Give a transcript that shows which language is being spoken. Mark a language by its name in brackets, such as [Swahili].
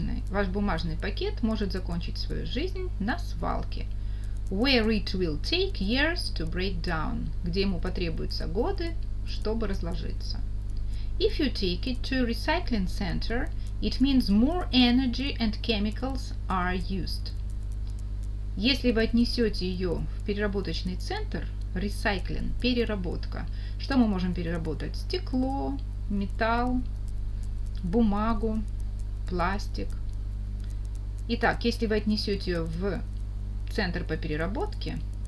[Russian] Ваш бумажный пакет может закончить свою жизнь на свалке. [English] Where it will take years to break down. [Russian] Где ему потребуются годы, чтобы разложиться. [English] If you take it to a recycling center, it means more energy and chemicals are used. [Russian] Если вы отнесете ее в переработочный центр, recycling, переработка, что мы можем переработать? Стекло, металл, бумагу, пластик. Итак, если вы отнесете ее в центр по переработке,